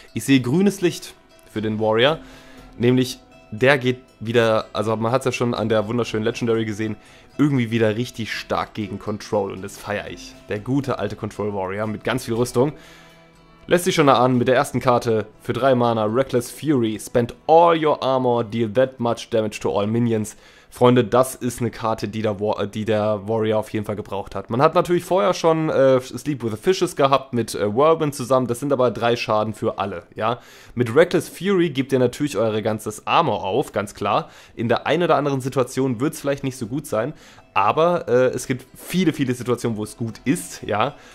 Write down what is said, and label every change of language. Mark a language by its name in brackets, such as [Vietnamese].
[German] Ich sehe grünes Licht für den Warrior, nämlich der geht wieder, also man hat es ja schon an der wunderschönen Legendary gesehen, irgendwie wieder richtig stark gegen Control und das feiere ich. Der gute alte Control Warrior mit ganz viel Rüstung. Lässt sich schon erahnen mit der ersten Karte für 3 Mana, Reckless Fury. [English] Spend all your armor, deal that much damage to all minions. [German] Freunde, das ist eine Karte, die der Warrior auf jeden Fall gebraucht hat. Man hat natürlich vorher schon Sleep with the Fishes gehabt mit Whirlwind zusammen. Das sind aber 3 Schaden für alle, ja. Mit Reckless Fury gebt ihr natürlich eure ganzes Armor auf, ganz klar. In der einen oder anderen Situation wird es vielleicht nicht so gut sein. Aber es gibt viele, viele Situationen, wo es gut ist, ja.